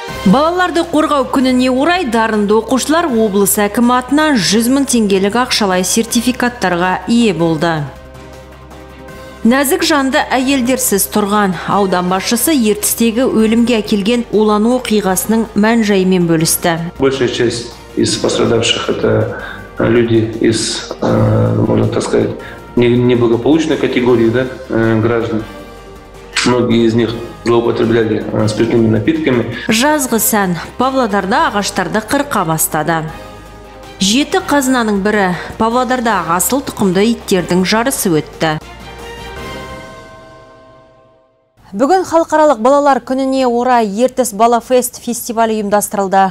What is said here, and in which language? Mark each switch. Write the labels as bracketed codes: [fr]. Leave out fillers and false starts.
[kk] Балаларды қорғау күніне орай дарынды оқушылар облыс әкімі атынан 100 000 теңгелік ақшалай сертификаттарға ие болды. Нәзік жанды әйелдерсіз тұрған аудан басшысы Ертістегі өлімге әкелген улану оқиғасының мән-жайымен бөлісті. [ru] Большая часть из пострадавших это люди из, можно так сказать, неблагополучной категории, да, граждан. Многие из них злоупотребляли спиртными напитками. [kk] Жазғы сән Павлодарда ағаштарды қырқа бастады. Жеті қазынаның бірі Павлодарда асыл тұқымды иттердің жарысы өтті. Бүгін халықаралық балалар күніне орай Ертіс Балафест фестивалі ұйымдастырылды.